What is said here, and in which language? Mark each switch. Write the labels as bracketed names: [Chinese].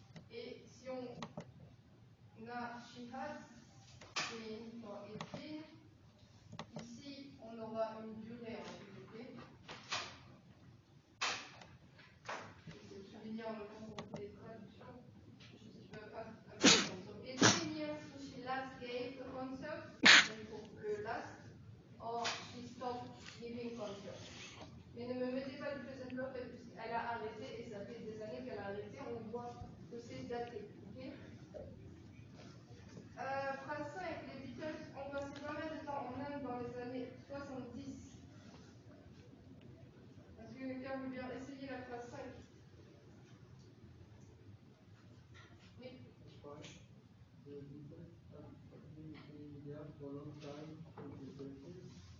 [French] Et si on a [English] she has been for it's been, [French] ici on aura une durée en réalité. C'est souligné en même temps pour les traductions. Je ne peux pas. [English] It's been years since she last gave the concert, [French] donc pour le [English] last, or she stopped giving concert. [French] Mais ne me mettez pas le present perfect, puisqu'elle a arrêté et ça fait des années qu'elle a arrêté, on voit. Que c'est daté. Phrase 5, les Beatles ont passé pas mal de temps en Inde dans les années 70. Est-ce que quelqu'un veut bien essayer la phrase 5? Oui. [English] The Beatles have been there for a long time in the 70s.